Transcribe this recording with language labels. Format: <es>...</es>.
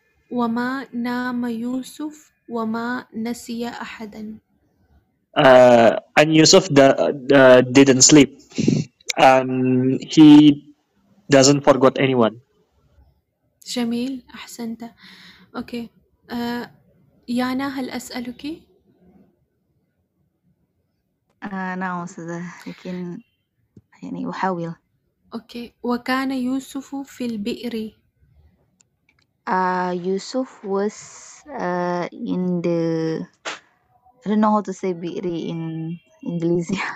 <ar>وما نام يوسف وما نسي أحدا.</ar> <en>And Yousuf didn't sleep, and he doesn't forget anyone.</en> <ar>جميل, أحسنت. Okay. يانا هل أسألك؟ نعم أستاذة, لكن يعني أحاول. Okay. وكان يوسف في البئر.</ar> <en>Yousuf was in the, I don't know how to say bi'ri in English.</en>